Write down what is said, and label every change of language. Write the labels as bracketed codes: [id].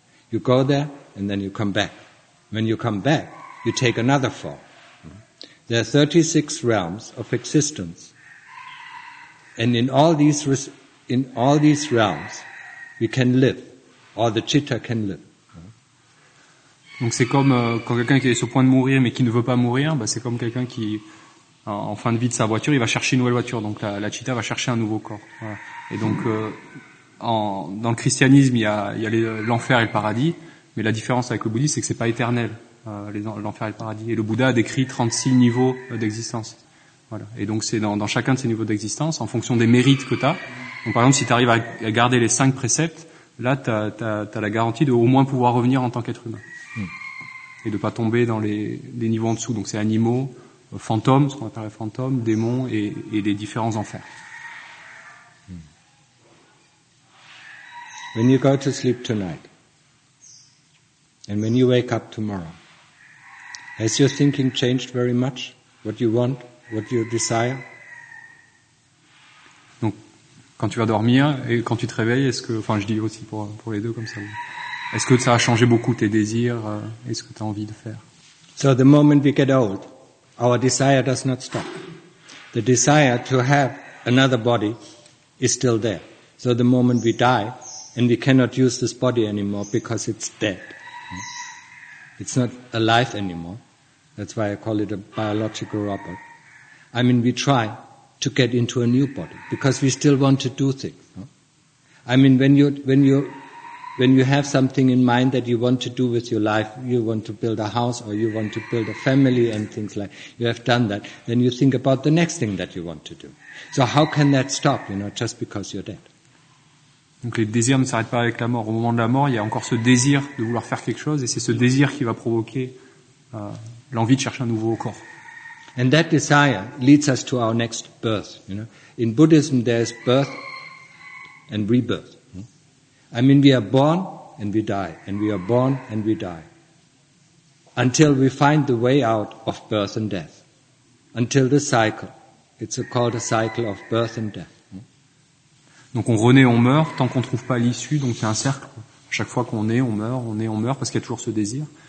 [en] You go there and then you come back. When you come back, you take another fall. There are 36 realms of existence. And in all these realms, we can live, or the chitta can live. [fr] Donc c'est comme quand quelqu'un qui est sur le point de mourir mais qui ne veut pas mourir, bah c'est comme quelqu'un qui, en fin de vie de sa voiture, il va chercher une nouvelle voiture. Donc la chitta va chercher un nouveau corps. Voilà. Et donc, dans le christianisme, il y a l'enfer et le paradis, mais la différence avec le bouddhisme, c'est que c'est pas éternel, l'enfer et le paradis. Et le Bouddha a décrit 36 niveaux d'existence. Voilà. Et donc, c'est dans chacun de ces niveaux d'existence, en fonction des mérites que t'as. Donc, par exemple, si t'arrives à garder les 5 préceptes, là, t'as la garantie de au moins pouvoir revenir en tant qu'être humain. Et de pas tomber dans les niveaux en dessous. Donc, c'est animaux, fantômes, ce qu'on appelle les fantômes, démons et les différents enfers. [en] When you go to sleep tonight, and when you wake up tomorrow, has your thinking changed very much? What you want, what you desire? [fr] Donc, quand tu vas dormir et quand tu te réveilles, est-ce que, enfin, je dis aussi pour les deux comme ça. Est-ce que ça a changé beaucoup tes désirs et ce que t'as envie de faire? [en] So the moment we get old, our desire does not stop. The desire to have another body is still there. So the moment we die. And we cannot use this body anymore because it's dead. It's not alive anymore. That's why I call it a biological robot. I mean, we try to get into a new body because we still want to do things. I mean, when you when you have something in mind that you want to do with your life, you want to build a house or you want to build a family and things like, you have done that, then you think about the next thing that you want to do. So how can that stop, you know, just because you're dead? [fr] Donc les désirs ne s'arrêtent pas avec la mort. Au moment de la mort, il y a encore ce désir de vouloir faire quelque chose, et c'est ce désir qui va provoquer l'envie de chercher un nouveau corps. [en] And that desire leads us to our next birth. You know, in Buddhism, there's birth and rebirth. I mean, we are born and we die, and we are born and we die, until we find the way out of birth and death, until the cycle. It's called a cycle of birth and death. [fr] Donc on renaît, on meurt, tant qu'on trouve pas l'issue, donc c'est un cercle. À chaque fois qu'on est, on meurt, on est, on meurt, parce qu'il y a toujours ce désir.